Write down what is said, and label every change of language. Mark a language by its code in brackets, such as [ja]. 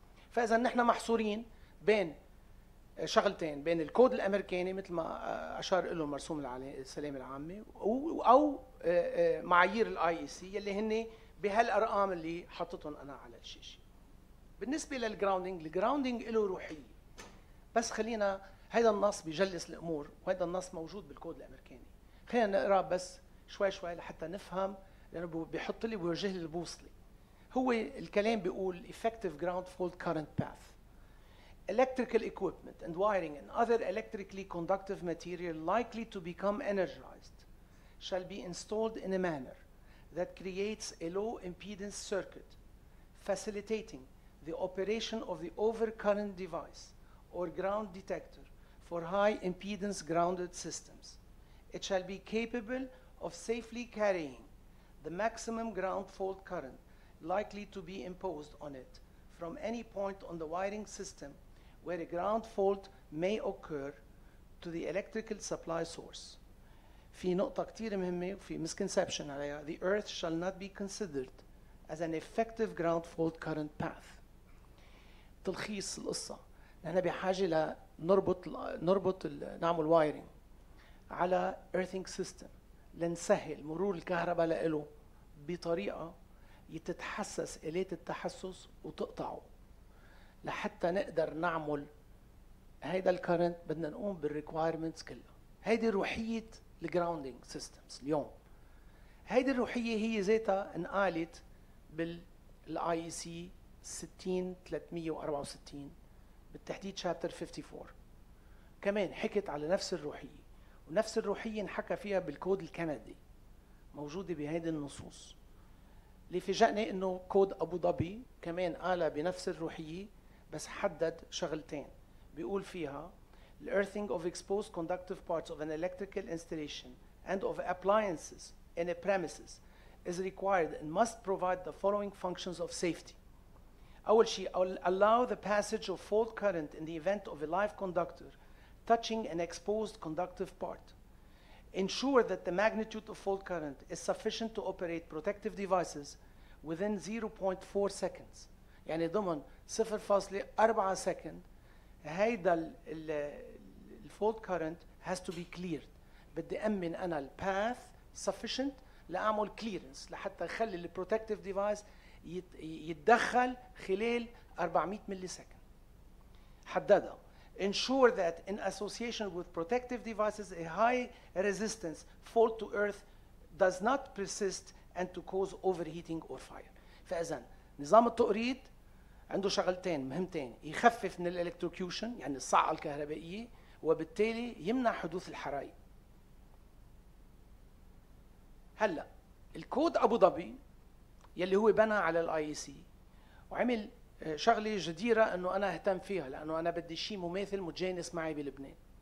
[ar] فإذا نحن محصورين بين شغلتين، بين الكود الأمريكاني مثل ما أشار له مرسوم السلام العامي، أو معايير الآي إي سي يلي هني بهالأرقام اللي حطتهم أنا على الشاشة. بالنسبة للجراوندينج، الجراوندينج له روحية، بس خلينا هذا النص بجلس الأمور، وهذا النص موجود بالكود الأمريكاني. خلينا نقرأ بس شوي شوي لحتى نفهم، لأنه بيحط لي ويوجه لي البوصلة. هو الكلام بيقول [en] effective ground fault current path. Electrical equipment and wiring and other electrically conductive material likely to become energized shall be installed in a manner that creates a low impedance circuit facilitating the operation of the overcurrent device or ground detector for high impedance grounded systems. It shall be capable of safely carrying the maximum ground fault current likely to be imposed on it from any point on the wiring system where a ground fault may occur to the electrical supply source. [ar] في نقطة كتير مهمة وفي misconception عليها. [en] The earth shall not be considered as an effective ground fault current path. [ar] تلخيص القصة. نحن بحاجة لنربط نعمل wiring على earthing system لنسهل مرور الكهرباء لإله بطريقة يتتحسس آلية التحسس وتقطعه. لحتى نقدر نعمل هيدا الكرنت بدنا نقوم بالريكوايرمنتس كلها. هيدي روحية الجراوندينج سيستمز اليوم. هيدي الروحية هي ذاتها انقالت بالاي اي سي 60364 بالتحديد شابتر 54. كمان حكت على نفس الروحية ونفس الروحية انحكى فيها بالكود الكندي موجودة بهيدي النصوص. اللي فاجأني انه كود ابو ظبي كمان قال بنفس الروحية بس حدد شغلتين. بيقول فيها [en] the earthing of exposed conductive parts of an electrical installation and of appliances in a premises is required and must provide the following functions of safety. [ar] أول شيء [en] allow the passage of fault current in the event of a live conductor touching an exposed conductive part. Ensure that the magnitude of fault current is sufficient to operate protective devices within 0.4 seconds. [ar] يعني ضمن 0.4 second هيدا الفولت كارنت [en] has to be cleared. [ar] بدي أمن أنا الباث sufficient لأعمل clearance لحتى أخلي البروتكتيف ديفايس يتدخل خلال 400 ملي سكند. حددها [en] ensure that in association with protective devices a high resistance fault to earth does not persist and to cause overheating or fire. [ar] فإذا نظام التقريض عنده شغلتين مهمتين، يخفف من الالكتروكيوشن يعني الصعقة الكهربائية وبالتالي يمنع حدوث الحرائق. هلا الكود ابو ظبي يلي هو بنى على الاي سي وعمل شغلة جديرة انه انا اهتم فيها لانه انا بدي شيء مماثل متجانس معي بلبنان.